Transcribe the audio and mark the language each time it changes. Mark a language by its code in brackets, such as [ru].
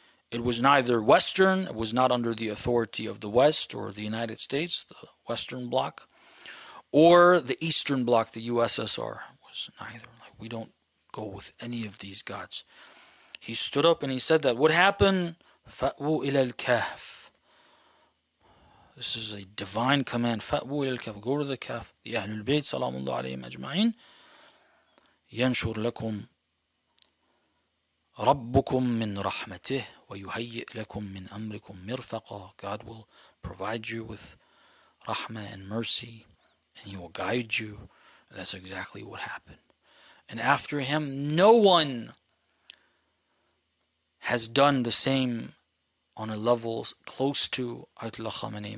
[en] It was neither Western, it was not under the authority of the West or the United States, the Western bloc, or the Eastern bloc, the USSR. It was neither. Like, we don't go with any of these gods. He stood up and he said that. What happened? [ar] فَأْوُوا إِلَى الْكَهْفِ. [en] This is a divine command. [ar] فَأْوُوا إِلَى الْكَهْفِ. [en] Go to the Kahf. [ar] The Ahlul Bayt, salamu allahu alayhim ajma'in, يَنْشُرْ لَكُمْ رَبُّكُمْ مِنْ رَحْمَتِهِ وَيُهَيِّئْ لَكُمْ مِنْ أَمْرِكُمْ مِرْفَقًا. [en] God will provide you with rahmah and mercy, and He will guide you. That's exactly what happened. And after him, no one has done the same on a level close to Ayatollah Khamenei.